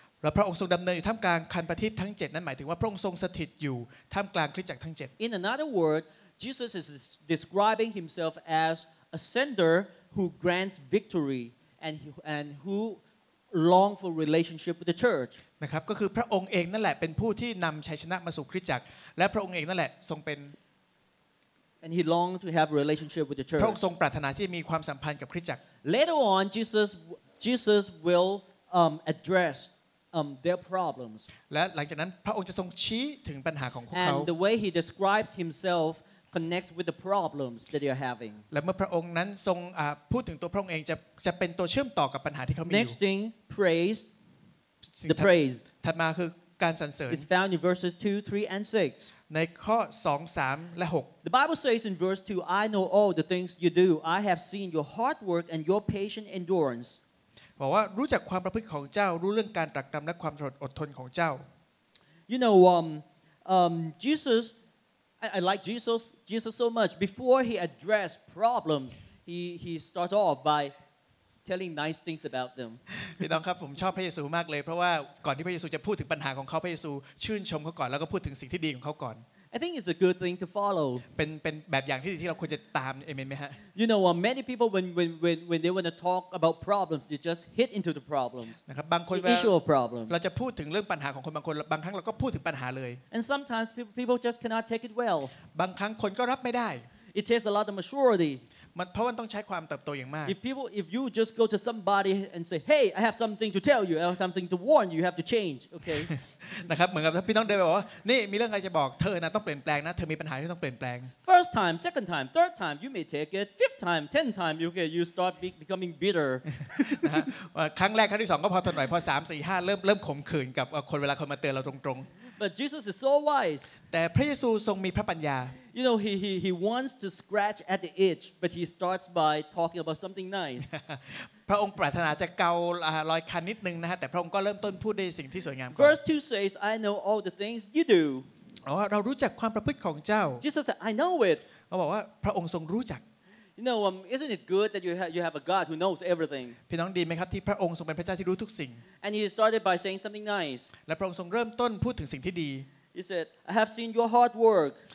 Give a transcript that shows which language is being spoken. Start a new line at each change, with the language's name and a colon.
Thai: และพระองค์ทรงดำเนินอยู่ท่ามกลางคันประทีปทั้ง7นั้นหมายถึงว่าพระองค์ทรงสถิตอยู่ท่ามกลางคริสตจักรทั้ง7
English: In another word, Jesus is describing himself as a sender who grants victory and who longs for relationship with the church.
Thai: นะครับก็คือพระองค์เองนั่นแหละเป็นผู้ที่นำชัยชนะมาสู่คริสตจักรและพระองค์เองนั่นแหละทรงเป็น
English: And he longed to have a relationship with the church.
Thai: พระองค์ทรงปรารถนาที่มีความสัมพันธ์กับคริสตจักร
English: Later on, Jesus will address their problems.
Thai: และหลังจากนั้นพระองค์จะทรงชี้ถึงปัญหาของพวกเขา
English: And the way he describes himself connects with the problems that they are having.
Thai: และเมื่อพระองค์นั้นทรงพูดถึงตัวพระองค์เองจะเป็นตัวเชื่อมต่อกับปัญหาที่เขามีอยู่
English: Next thing, praise. The praise.
Thai: ถัดมาคือการสรรเสริญ
English: It's found in verses 2, 3, and 6.
Thai: ในข้อ2 3และ6
English: The Bible says in verse 2 I know all the things you do I have seen your hard work and your patient endurance
Thai: บอกว่ารู้จักความประพฤติของเจ้ารู้เรื่องการตรากตรำและความอดทนของเจ้า
English: You know Jesus I like Jesus so much before he addressed problems he starts off bytelling nice things about them
Thai: พี่น้องครับผมชอบพระเยซูมากเลยเพราะว่าก่อนที่พระเยซูจะพูดถึงปัญหาของเขาพระเยซูชื่นชมเขาก่อนแล้วก็พูดถึงสิ่งที่ดีของเขาก่อน
English: I think it's a good thing to follow
Thai: เป็นแบบอย่างที่ดีที่เราควรจะตามเอเมนมั้ยฮะ
English: You know many people when they want to talk about problems they just hit into the problems
Thai: นะครับบางคน เวลา
English: issue of problems
Thai: เราจะพูดถึงเรื่องปัญหาของคนบางคนบางครั้งเราก็พูดถึงปัญหาเลย
English: And sometimes people just cannot take it well
Thai: บางครั้งคนก็รับไม่ได้
English: It takes a lot of maturity
Thai: มันเพราะมันต้องใช้ความเติบโตอย่างมาก
English: If people if you just go to somebody and say hey I have something to tell you I have something to warn you, you have to change okay
Thai: นะครับเหมือนกับถ้าพี่น้องเดินไปบอกว่านี่มีเรื่องอะไรจะบอกเธอนะต้องเปลี่ยนแปลงนะเธอมีปัญหาที่ต้องเปลี่ยนแปลง
English: First time second time third time you may take it fifth time 10 time you get you start becoming bitter
Thai: นะครั้งแรกครั้งที่2ก็พอทนหน่อยพอ3 4 5เริ่มขมขื่นกับคนเวลาคนมาเตือนเราตรง
English: ๆ But Jesus is so wise
Thai: แต่พระเยซูทรงมีพระปัญญา
English: You know he wants to scratch at the itch but he starts by talking about something nice.
Thai: พระองค์ปรารถนาจะเการอยคันนิดนึงนะฮะแต่พระองค์ก็เริ่มต้นพูดในสิ่งที่สวยงามก่อน
English: First two says I know all the things you do.
Thai: เรารู้จักความประพฤติของเจ้า
English: Jesus said I know it.
Thai: เขาบอกว่าพระองค์ทรงรู้จัก
English: You know isn't it good that you have a God who knows everything?
Thai: พี่น้องดีมั้ยครับที่พระองค์ทรงเป็นพระเจ้าที่รู้ทุกสิ่ง
English: And he started by saying something nice.
Thai: และพระองค์ทรงเริ่มต้นพูดถึงสิ่งที่ดี
English: He said I have seen your hard work.